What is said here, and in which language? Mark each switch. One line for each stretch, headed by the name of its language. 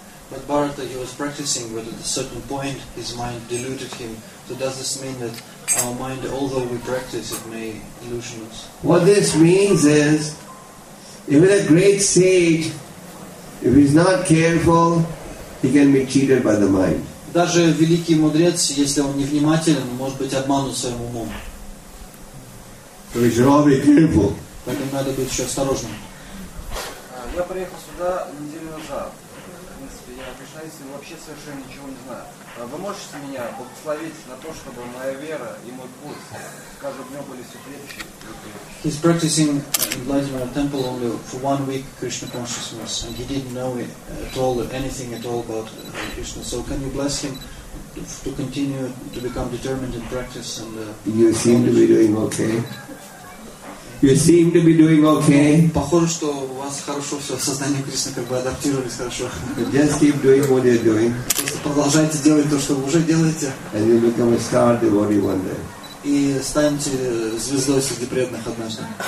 English: But Bharata, he was practicing, but at a certain point his mind deluded him. So does this mean that our mind, although we practice, it may illusion us? What this means is, even a great sage, if he's not careful, he can be cheated by the mind.
Russian: Даже великий мудрец, если он невнимателен, может быть обманут своим умом.
English: So we should all be careful.
Russian: Поэтому надо быть еще осторожным. Я приехал сюда неделю назад. В принципе, я обещаюсь, и вообще совершенно ничего не знаю. Вы можете меня благословить на то, чтобы моя вера и мой путь, скажем, в нем были все крепче?
English: He's practicing in Vladimir Temple only for 1 week Krishna consciousness, and he didn't know it at all, anything at all about Krishna. So can you bless him to continue to become determined in practice? And you seem to be doing okay. You seem to be doing okay.
Russian: Похоже, что у вас хорошо все сознание Кришны как бы адаптировались хорошо.
English: Just keep doing what you're doing.
Russian: Просто продолжайте делать то, что вы уже делаете.
English: And you become a star devotee one day.
Russian: И станете звездой среди преданных однажды.